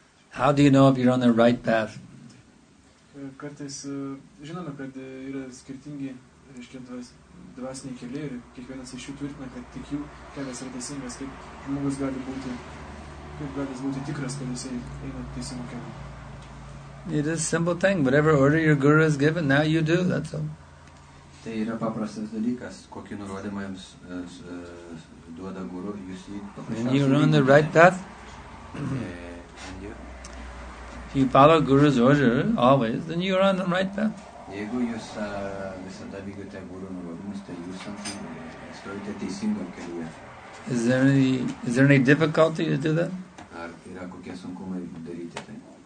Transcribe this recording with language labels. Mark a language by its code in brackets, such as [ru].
[en] How do you know if you're on the right path? [lt] Kartais žinome, kad yra skirtingi, reiškia, dvasiniai keliai, ir kiekvienas iš jų tvirtina, kad tik jų kelias yra teisingas, kaip žmogus gali būti, kaip gali būti tikras, kad jisai eina teisingu keliu. [en] It is a simple thing. Whatever order your guru has given, now you do, that's all. [lt] Tai yra paprastas dalykas, kokį nurodymą jums duoda guru, jūs jį paprasčiausiai. [en] When you're on the right path, if you follow guru's order always, then you're on the right path. [lt] Jeigu jūs visada vykdote guru nurodymus, tai jūs stovite teisingo kelyje. [en] Is there any difficulty to do that? [lt] Ar yra kokie sunkumai daryti tai?